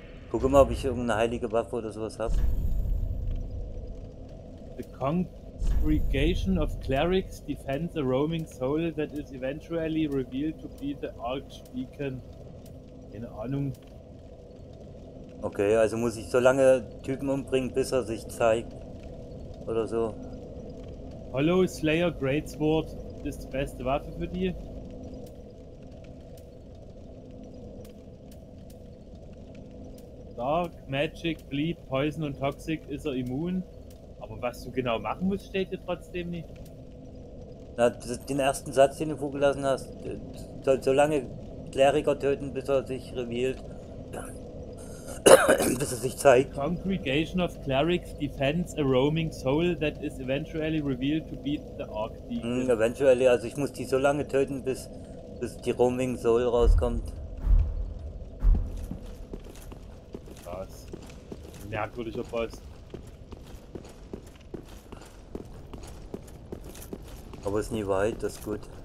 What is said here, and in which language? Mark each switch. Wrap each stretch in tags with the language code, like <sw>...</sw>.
<de>Guck mal, ob ich irgendeine heilige Waffe oder sowas habe.</de> <en>The congregation of clerics defends a roaming soul that is eventually revealed to be the Archdeacon.</en> <de>Keine Ahnung. Okay, also muss ich so lange Typen umbringen, bis er sich zeigt. Oder so. Hollow Slayer Greatsword ist die beste Waffe für die. Dark, Magic, Bleed, Poison und Toxic ist er immun. Aber was du genau machen musst, steht dir trotzdem nicht. Na, den ersten Satz, den du vorgelassen hast, soll so lange Kleriker töten, bis er sich revealed. Bis es sich zeigt.</de> <en>Congregation of Clerics defends a roaming soul that is eventually revealed to be the Archdeacon.</en> <de>Eventually, also ich muss die so lange töten, bis die</de> <en>roaming soul</en> <de>rauskommt. Was? Merkwürdiger Boss. Aber ist nie weit, das ist gut.</de>